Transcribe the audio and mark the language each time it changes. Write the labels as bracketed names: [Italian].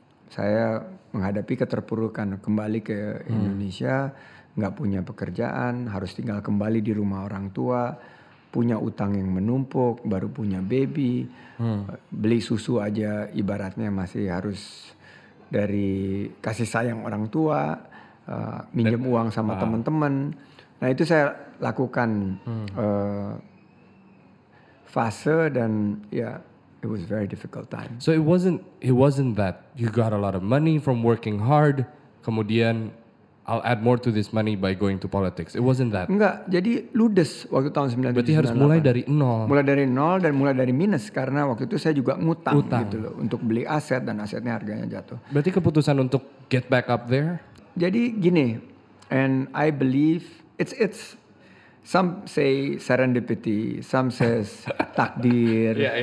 [Indonesian] saya menghadapi keterpurukan, kembali ke Indonesia, nggak punya pekerjaan, harus tinggal kembali di rumah orang tua, punya utang yang menumpuk, baru punya baby, beli susu aja ibaratnya masih harus dari kasih sayang orang tua, minjem uang sama teman-teman. Nah itu saya lakukan fase dan ya. [English] It was a very difficult time. So it wasn't that you got a lot of money from working hard, [Indonesian] kemudian [English] I'll add more to this money by going to politics. It wasn't that. [Indonesian] Enggak, jadi ludes waktu tahun 97. Berarti harus mulai dari nol. Mulai dari nol dan mulai dari minus karena waktu itu saya juga ngutang gitu loh untuk beli aset dan asetnya harganya jatuh. Berarti keputusan untuk [English] get back up there? [Indonesian] Jadi gini, [English] and I believe it's some say serendipity, some says takdir.